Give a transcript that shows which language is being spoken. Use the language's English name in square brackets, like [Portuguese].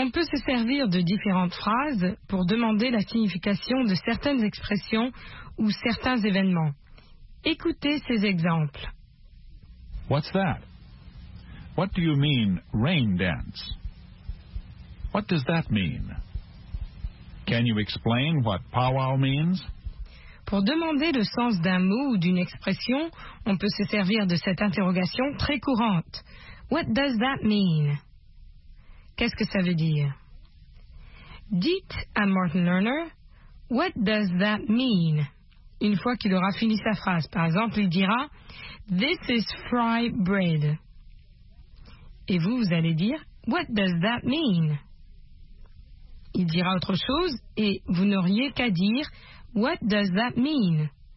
[French] se servir de différentes phrases pour demander la signification de certaines expressions ou certains événements. Écoutez ces exemples. [English] What's that? What do you mean, rain dance? What does that mean? Can you explain what powwow means? [French] Pour demander le sens d'un mot ou d'une expression, on peut se servir de cette interrogation très courante. [English] What does that mean? [French] Qu'est-ce que ça veut dire? Dites à Martin Lerner, [English] What does that mean? [French] Une fois qu'il aura fini sa phrase, par exemple, il dira, [English] This is fry bread. [French] Et vous, vous allez dire, [English] What does that mean? [French] Il dira autre chose et vous n'auriez qu'à dire, [English] What does that mean?